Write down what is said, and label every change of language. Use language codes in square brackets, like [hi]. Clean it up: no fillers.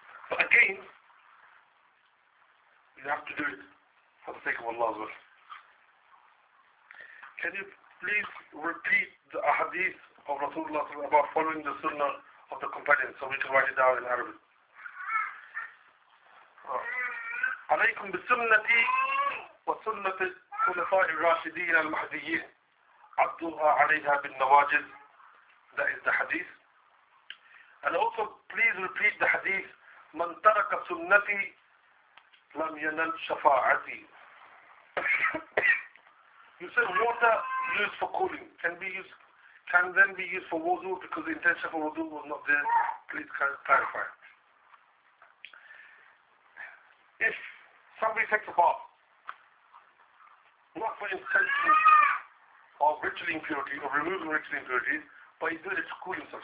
[en] But again, you have to do it for the sake of Allah's will. Can you please repeat the ahadith of Rasulullah about following the sunnah of the companions so we can write it down in Arabic? [ar] عليكم بسنتي وسنة الخلفاء الراشدين المهديين عضوها عليها بالنواجذ. [en] That is the hadith. And also please repeat the hadith. [ar] من ترك سنتي لم ينل شفاعتي. [en] You said water used for cooling can then be used for wudu because the intention for wudu was not there. Please clarify. If somebody takes a bath, not for intention of ritual impurity, or removing ritual impurities, but he's doing it to cool himself.